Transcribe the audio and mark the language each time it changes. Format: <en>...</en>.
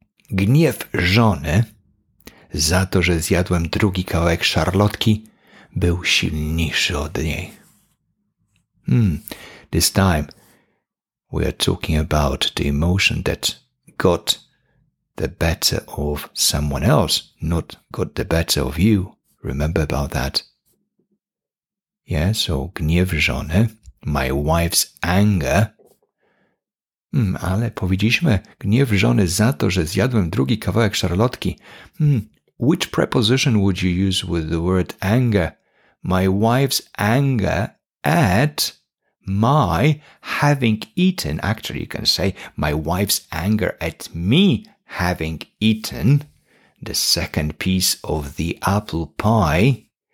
<pl>Gniew żony za to, że zjadłem drugi kawałek szarlotki, był silniejszy od niej.</pl> <en>This time we are talking about the emotion that got the better of someone else, not got the better of you. Remember about that. Yeah, so</en> <pl>gniew żony,</pl> <en>my wife's anger,</en> <pl>Ale powiedzieliśmy gniew żony za to, że zjadłem drugi kawałek szarlotki.</pl> <en>Which preposition would you use with the word anger? My wife's anger at my having eaten. Actually, you can say my wife's anger at me having eaten the second piece of the apple pie.</en>